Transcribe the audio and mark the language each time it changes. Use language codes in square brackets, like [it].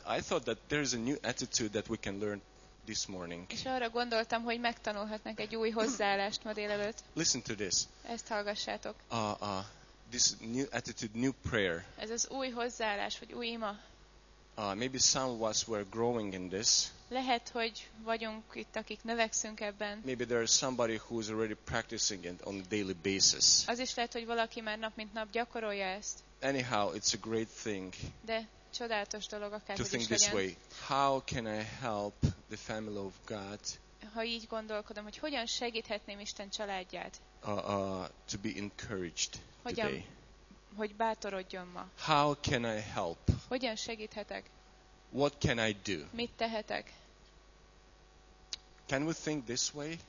[en] I thought that there is a new attitude that we can learn this morning. [hu] És arra gondoltam, hogy megtanulhatnak egy új hozzáállást ma délelőtt. [en] Listen to this. [hu] Ezt hallgassátok. [en] This new attitude, new prayer. [hu] Ez az új hozzáállás, vagy új ima. [en] Maybe some of us were growing in this. [hu] Lehet, hogy vagyunk itt, akik növekszünk ebben. [en] Maybe there is somebody who is already practicing it on a daily basis. [hu] Az is lehet, hogy valaki már nap mint nap gyakorolja ezt. [en] Anyhow, it's a great thing. [hu] De csodálatos dolog akár [en] to think this way. How can I help the family of God? [hu] Ha így gondolkodom, hogy hogyan segíthetném Isten családját? [en] To be encouraged. [hu] Hogyan, hogy bátorodjon ma. [en] How can I help? [hu] Hogyan segíthetek? [en] What can I do? [hu] Mit tehetek? [en] Can we think this way?